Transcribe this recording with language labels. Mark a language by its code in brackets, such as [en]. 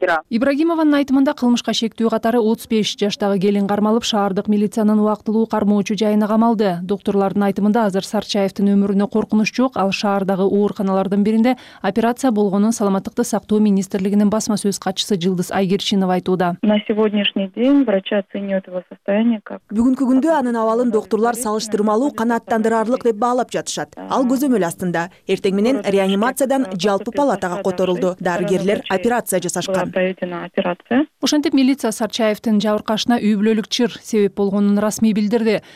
[ky] Ибрагимованын айтымында кылмышка шектүү катары 35 жаштагы келин кармалып, шаардык милициянын убактылуу кармоочу жайына камалды. Доктурлардын айтымында азыр Сарчаевдин өмүрү коркунуч жок, ал шаардагы ооруканалардын биринде операция болгонун саламаттыкты сактоо министрлигинин басма сөз катчысы Жылдыз Айгерчинова айтууда. [ru] На сегодняшний день врачи оценивают его состояние как. [ky] Бүгүнкү күндө анын абалын доктурлар салыштырмалуу канааттандырарлык деп баалап жатышат. Ал көзөмөл астында. Эртең менен реанимациядан жалпы палатага которулду. Дарыгерлер операция жасашкан. Ошентип милиция Сарчаевдин жабыркашына үй бүлөлүк чыр себеп болгонун расмий билдирди.